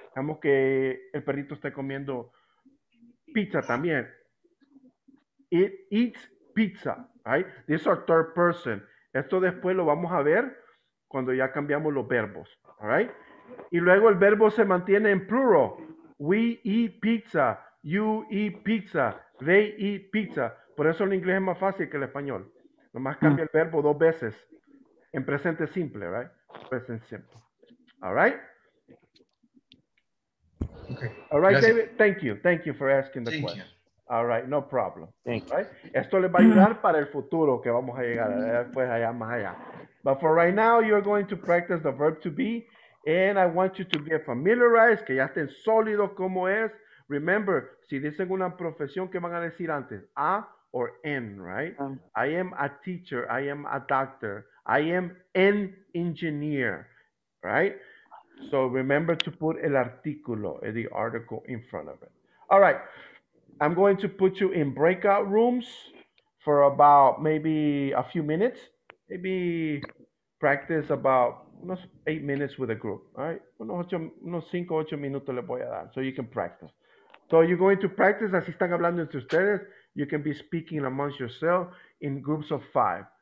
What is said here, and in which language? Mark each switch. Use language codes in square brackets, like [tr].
[es] Digamos que el perrito está comiendo pizza también. [en] It eats pizza, right? This is our third person. [es] Esto después lo vamos a ver cuando ya cambiamos los verbos, [en] all right? [es] Y luego el verbo se mantiene en plural. [en] We eat pizza, you eat pizza, they eat pizza. [es] Por eso el inglés es más fácil que el español. Nomás cambia el verbo dos veces en presente simple, right? [en] Present simple. All right? Okay. All right, gracias. David. Thank you for asking the question. You. All right, no problem. Thank right? you. [es] Esto les va a ayudar para el futuro que vamos a llegar después allá, más allá. [en] But for right now, you're going to practice the verb to be. And I want you to get familiarized, [es] que ya estén sólidos como es. Remember, si dicen una profesión, ¿qué van a decir antes? [en] A or N, right? I am a teacher. I am a doctor. I am an engineer, right? So remember to put [es] el artículo, [en] the article in front of it. All right. I'm going to put you in breakout rooms for about maybe a few minutes. Maybe practice about 8 minutes with a group, all right? [es] Unos 5 o 8 minutos le voy a dar, [en] so you can practice. So you're going to practice, [es] así están hablando entre ustedes. [en] You can be speaking amongst yourself in groups of 5.